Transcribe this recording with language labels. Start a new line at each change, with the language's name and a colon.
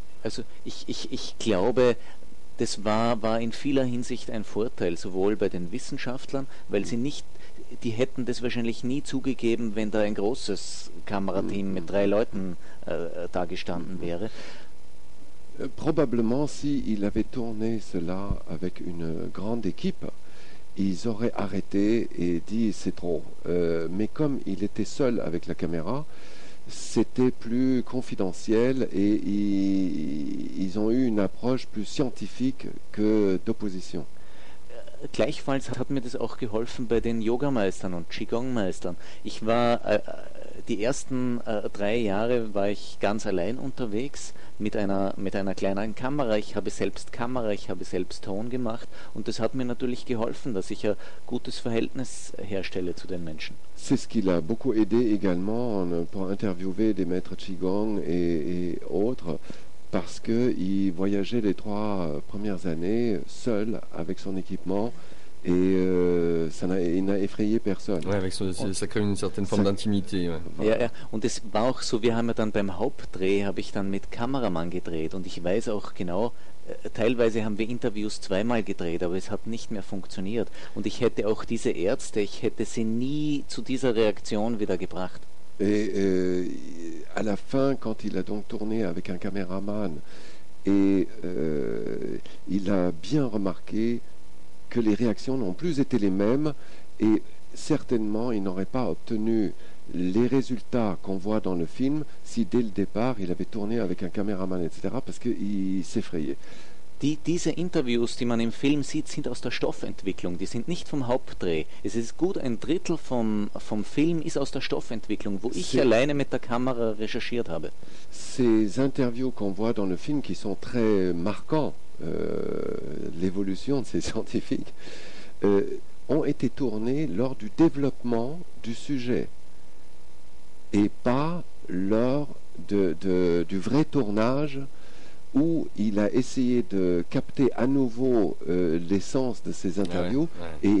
German: Also ich glaube, das war in vieler Hinsicht ein Vorteil, sowohl bei den Wissenschaftlern, weil sie nicht, die hätten das wahrscheinlich nie zugegeben, wenn da ein großes Kamerateam mit drei Leuten dagestanden wäre.
French: Probablement, s'il avait tourné cela avec une grande équipe, ils auraient arrêté et dit « c'est trop ». Mais comme il était seul avec la caméra, c'était plus confidentiel et ils ont eu une approche plus scientifique que d'opposition.
German: Gleichfalls hat mir das auch geholfen bei den Yoga-Meistern und Qigong-Meistern. Ich war die ersten drei Jahre war ich ganz allein unterwegs mit einer kleinen Kamera. Ich habe selbst Kamera, ich habe selbst Ton gemacht und das hat mir natürlich geholfen, dass ich ein gutes Verhältnis herstelle zu den Menschen.
French: C'est ce qui l'a beaucoup aidé également pour interviewer des maîtres Qigong et autres. Parce qu'il voyageait les trois premières années seul avec son équipement et il n'a effrayé personne. Ouais, avec ça crée une certaine forme d'intimité.
German: Ja, ja. Und es war auch so, wir haben ja dann beim Hauptdreh, habe ich dann mit Kameramann gedreht und ich weiß auch genau, teilweise haben wir Interviews zweimal gedreht, aber es hat nicht mehr funktioniert. Und ich hätte auch diese Ärzte, ich hätte sie nie zu dieser Reaktion wieder gebracht.
French: Et à la fin, quand il a donc tourné avec un caméraman, et il a bien remarqué que les réactions n'ont plus été les mêmes, et certainement il n'aurait pas obtenu les résultats qu'on voit dans le film si dès le départ il avait tourné avec un caméraman, etc., parce qu'il s'effrayait.
German: Diese Interviews, die man im Film sieht, sind aus der Stoffentwicklung, die sind nicht vom Hauptdreh. Es ist gut, ein Drittel vom Film ist aus der Stoffentwicklung, wo ich alleine mit der Kamera recherchiert habe.
French: Ces interviews qu'on voit dans le film, qui sont très marquants, l'évolution de ces scientifiques, ont été tournées lors du développement du sujet et pas lors du vrai tournage où il a essayé de capter à nouveau l'essence de ses interviews, ouais, ouais.